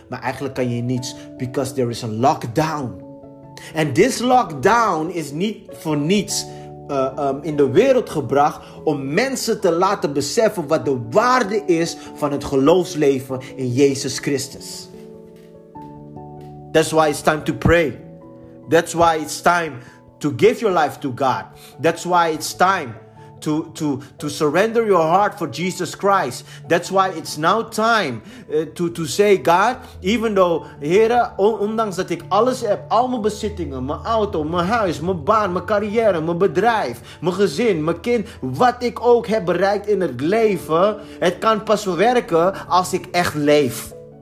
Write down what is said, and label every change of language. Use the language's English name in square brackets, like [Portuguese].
[Dutch] Maar eigenlijk kan je niets, [English] because there is a lockdown. [Dutch] En this lockdown is niet voor niets in de wereld gebracht om mensen te laten beseffen wat de waarde is van het geloofsleven in Jezus Christus. [English] That's why it's time to pray. That's why it's time to give your life to God. That's why it's time to surrender your heart for Jesus Christ. That's why it's now time to say, God, even though, [Dutch] Heere, ondanks dat ik alles heb, al mijn bezittingen, mijn auto, mijn huis, mijn baan, mijn carrière, mijn bedrijf, mijn gezin, mijn kind, wat ik ook heb bereikt in het leven, het kan pas werken als ik echt leef.